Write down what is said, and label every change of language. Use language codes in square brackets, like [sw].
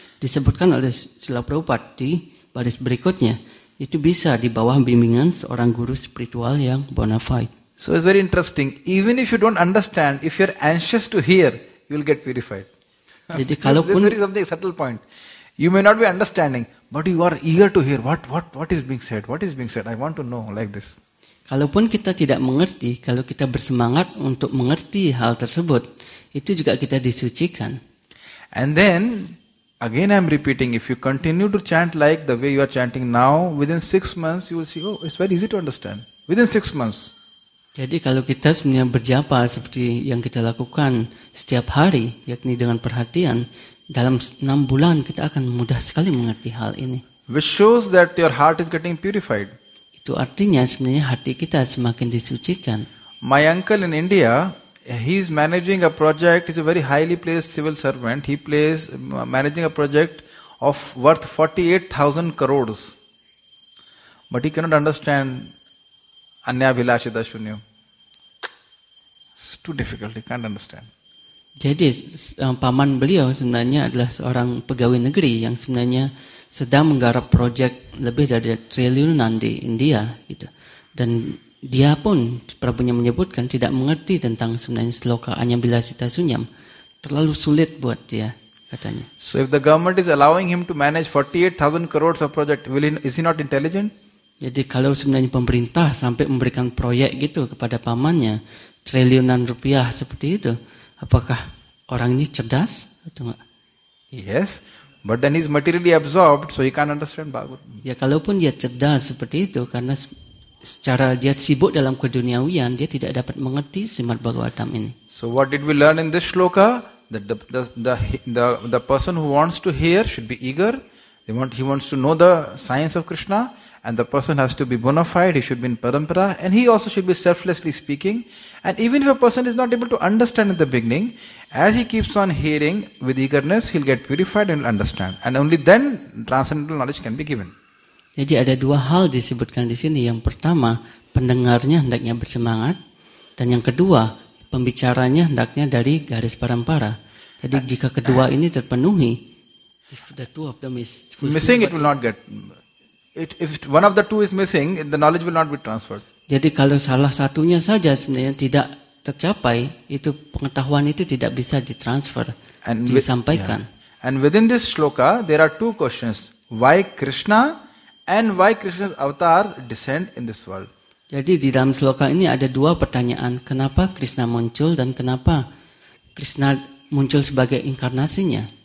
[id] Disebutkan oleh Srila Prabhupada di baris berikutnya, itu bisa di bawah bimbingan seorang guru spiritual yang bona fide. [en] So it's very interesting. Even if you don't understand, if you're anxious to hear, you'll get purified. [id] Jadi kalaupun, [en] this is very something subtle point. You may not be understanding, but you are eager to hear what is being said. What is being said? I want to know like this. [id] Kalaupun kita tidak mengerti, kalau kita bersemangat untuk mengerti hal tersebut, itu juga kita disucikan. [en] And then, again I'm repeating, if you continue to chant like the way you are chanting now, within 6 months you will see, oh, it's very easy to understand. Within 6 months. [id] Jadi kalau kita sebenarnya berjapa seperti yang kita lakukan setiap hari, yakni dengan perhatian, dalam 6 bulan kita akan mudah sekali mengerti hal ini. [en] Which shows that your heart is getting purified. [id] Itu artinya sebenarnya hati kita semakin disucikan. [en] My uncle in India, he is managing a project, he's a very highly placed civil servant. He plays managing a project of worth 48,000 crores. But he cannot understand Anya Vilashita Shunyam. It's too difficult, he can't understand. [id] Jadi paman beliau sebenarnya adalah seorang pegawai negeri yang sebenarnya sedang menggarap proyek lebih dari triliunan di India gitu. Dan dia pun Prabhunya menyebutkan tidak mengerti tentang sebenarnya sloka Anya Vilashita Shunyam. Terlalu sulit buat dia katanya. [en] So if the government is allowing him to manage 48,000 crores of project, is he not intelligent? [id] Jadi kalau sebenarnya pemerintah sampai memberikan proyek gitu kepada pamannya triliunan rupiah seperti itu, apakah orang ini cerdas atau enggak? [en] Yes, but then he's materially absorbed, so he can't understand Bhagavatam. [id] Ya, kalaupun dia cerdas seperti itu, karena secara dia sibuk dalam keduniawian, dia tidak dapat mengerti Srimad Bhagavatam ini. [en] So what did we learn in this shloka? That the person who wants to hear should be eager. He wants to know the science of Krishna. And the person has to be bona fide, he should be in parampara, and he also should be selflessly speaking. And even if a person is not able to understand at the beginning, as he keeps on hearing with eagerness, he'll get purified and will understand. And only then transcendental knowledge can be given. [id] Jadi ada dua hal disebutkan di sini. Yang pertama, pendengarnya hendaknya bersemangat. Dan yang kedua, pembicaranya hendaknya dari garis parampara. Jadi jika kedua ini terpenuhi, [en] if the two of them is missing, it will not get... If one of the two is missing, the knowledge will not be transferred. [id] Jadi kalau salah satunya saja sebenarnya tidak tercapai, itu pengetahuan itu tidak bisa ditransfer, and disampaikan. [en] Yeah. And within this shloka, there are two questions. Why Krishna and why Krishna's avatar descend in this world? [id] Jadi di dalam shloka ini ada dua pertanyaan. Kenapa Krishna muncul dan kenapa Krishna muncul sebagai inkarnasinya?